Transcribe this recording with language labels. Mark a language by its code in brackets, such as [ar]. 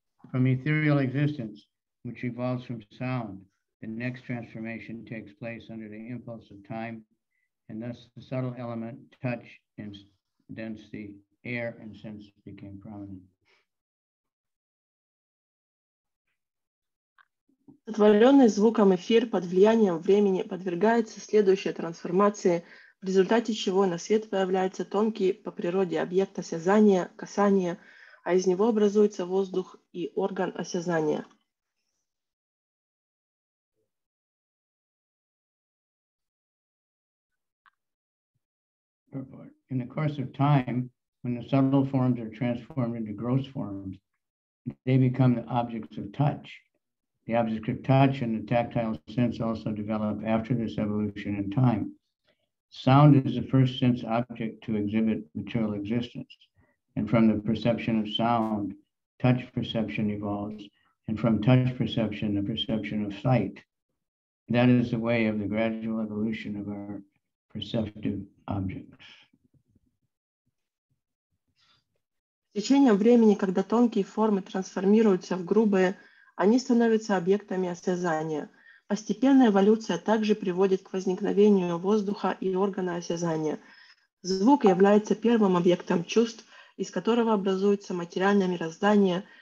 [en] From ethereal existence, which evolves from sound, the next transformation takes place under the impulse of time, and thus the subtle element touch and thence the air and sense became prominent. [ru] Сотворенный звуком эфир под влиянием времени подвергается следующей трансформации, в результате чего на свет появляется тонкий по природе объект осязания, касания, а из него образуется воздух и орган осязания. [en] In the course of time, when the subtle forms are transformed into gross forms, they become the objects of touch. The object of touch and the tactile sense also develop after this evolution in time. Sound is the first sense object to exhibit material existence. And from the perception of sound, touch perception evolves. And from touch perception, the perception of sight. That is the way of the gradual evolution of our perceptive objects. [ru] С течением времени, когда тонкие формы трансформируются в грубые, они становятся объектами осязания. Постепенная эволюция также приводит к возникновению воздуха и органа осязания. Звук является первым объектом чувств, из которого образуется материальное мироздание.